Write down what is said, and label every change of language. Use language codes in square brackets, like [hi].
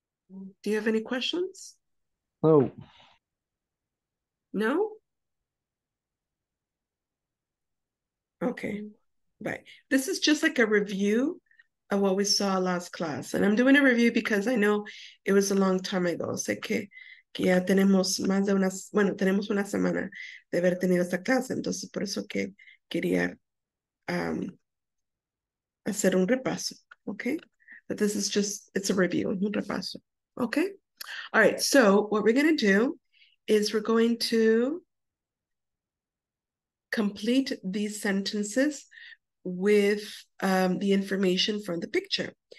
[en] Do you have any questions? No. No? Okay. Right. This is just like a review of what we saw last class. And I'm doing a review because I know it was a long time ago. [es] Sé que ya tenemos más de una, bueno, tenemos una semana de haber tenido esta clase. Entonces, por eso que quería hacer un repaso. [en] Okay? But this is just, it's a review, [es] un repaso. [en] Okay? All right. So what we're going to do is we're going to complete these sentences with the information from the picture.